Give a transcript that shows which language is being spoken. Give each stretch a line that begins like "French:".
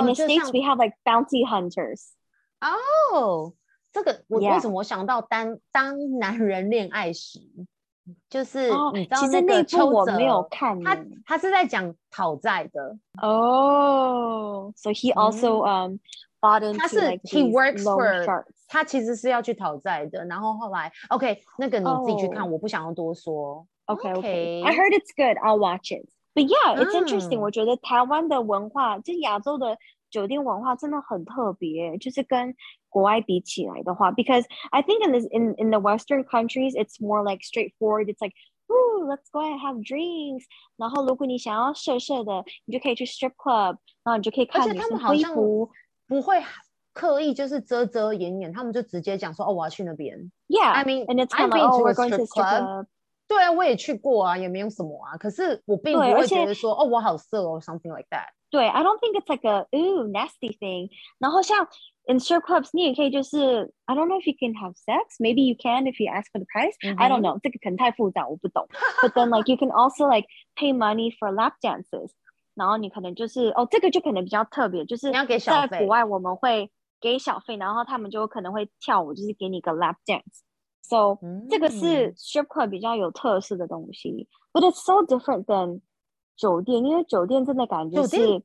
English: In the States we have like bounty hunters
Chinese: Oh这个我为什么想到 当男人恋爱时，就是你知道那个邱泽，其实那部我没有看，他是在讲讨债的
English: 哦。So he also bought into he works for
Chinese: 他其实是要去讨债的，然后后来 OK 那个你自己去看， oh. 我不想要多说。
English: Okay, okay. I heard it's good. I'll watch it. But yeah, it's interesting.、
Chinese: 嗯、我觉得台湾的文化，就亚洲的酒店文化真的很特别，就是跟国外比起来的话
English: because I think in the western countries it's more like straightforward it's like ooh, let's go ahead and have drinks
Chinese: 然后如果你想要射射的你就可以去 strip club 然后你就可以看女生衣服不会刻意就是遮遮掩掩他们就直接讲说、哦、我要去那边
English: yeah I mean and it's kind of like oh we're going to
Chinese: strip club 对啊我也去过啊也没有什么啊可是我并不会觉得说哦我好色哦
English: something like that 对 I don't think it's like a ooh nasty thing 然后像In strip clubs,
Chinese: 你也可以就是
English: I don't know if you can have sex. Maybe you can if you ask for the price.、Mm-hmm. I don't know.
Chinese: 这个可能太复杂，我不懂。
English: But then, like, you can also like pay money for lap dances.
Chinese: 然后你可能就是哦，这个就可能比较特别，就是你要给小费。在国外，我们会给小费，然后他们就可能会跳舞，就是给你个 lap dance. So、mm-hmm. 这个是 strip club 比较有特色的东西。
English: But it's so different than
Chinese: 酒店，因为酒店真的感觉是